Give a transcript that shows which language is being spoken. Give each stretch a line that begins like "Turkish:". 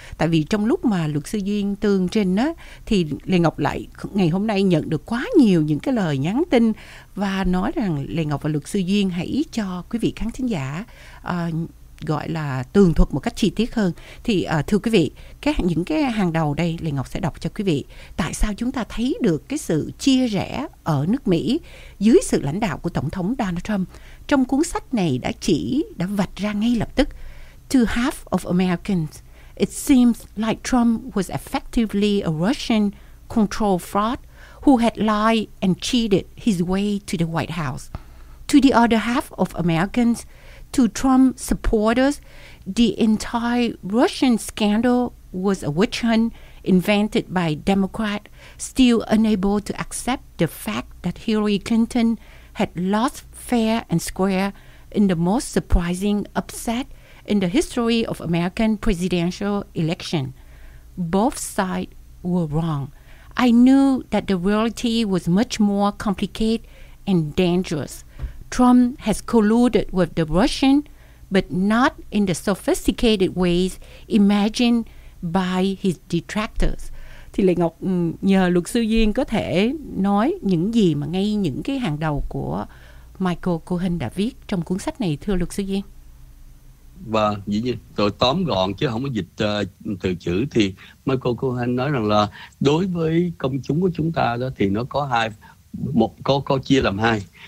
Vietnamese: Tại vì trong lúc mà luật sư Duyên tường trình á, thì Lê Ngọc lại ngày hôm nay nhận được quá nhiều những cái lời nhắn tin và nói rằng Lê Ngọc và luật sư Duyên hãy cho quý vị khán thính giả gọi là tường thuật một cách chi tiết hơn. Thì thưa quý vị, những cái hàng đầu đây Lê Ngọc sẽ đọc cho quý vị. Tại sao chúng ta thấy được cái sự chia rẽ ở nước Mỹ dưới sự lãnh đạo của Tổng thống Donald Trump? Trong cuốn sách này đã vạch ra ngay lập tức.
English: To half of Americans, it seems like Trump was effectively a Russian control fraud who had lied and cheated his way to the White House. To the other half of Americans, to Trump supporters, the entire Russian scandal was a witch hunt invented by Democrats still unable to accept the fact that Hillary Clinton had lost fair and square in the most surprising upset in the history of American presidential election. Both sides were wrong. I knew that the reality was much more complicated and dangerous. Trump has colluded with the Russian, but not in the sophisticated ways imagined by his detractors.
Vietnamese: Thì Lê Ngọc nhờ luật sư Duyên có thể nói những gì mà ngay những cái hàng đầu của Michael Cohen đã viết trong cuốn sách này, thưa luật sư Duyên. Và dĩ nhiên, tôi tóm gọn chứ không có dịch từ chữ, thì Michael Cohen nói rằng là đối với công chúng của chúng ta đó thì nó có hai, một có chia làm hai.